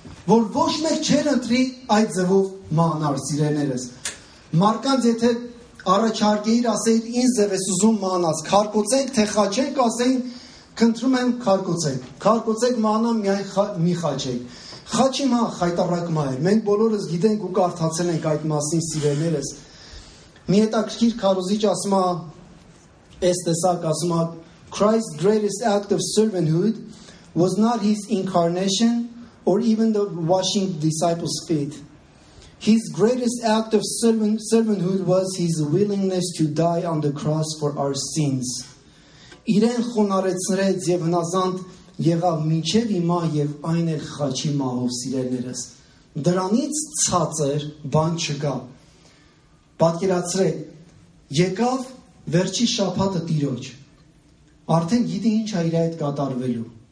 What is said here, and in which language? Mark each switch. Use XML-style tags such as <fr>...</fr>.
<hy>որ ոչ մեկ չեր ընտրի այդ ձևով մահանալ, սիրելներս։ Մարդկանց եթե առաջարկեիր, ասեիր ինձ ձև ես ուզում մահանաս, քարկոցենք թե խաչենք, ասեին քնդրում եմ քարկոցենք, քարկոցենք մահանամ, միայն մի խաչեք։ Խաչի մահ խայտարակ մահ է, մենք բոլորս գիտենք ու կարդացել ենք այդ մասին, սիրելներս։ Մի հետաքրքիր քարոզիչ ասում է այս տեսակ, ասում է</hy> <en>Christ's greatest act of servanthood was not his incarnation or even the washing disciples' feet. His greatest act of servanthood was his willingness to die on the cross for our sins.</en> <hy>Իրեն խոնարեցրեց եւ հնազանդ եղավ մինչեւ հիմա եւ այն էլ խաչի մահով, սիրելներս։ Դրանից ցածր բան չկա։ Պատկերացրեք, եկավ վերջի շաբաթը տիրոջ, արդեն գիտի ինչ է իր հետ կատարվելու։</hy>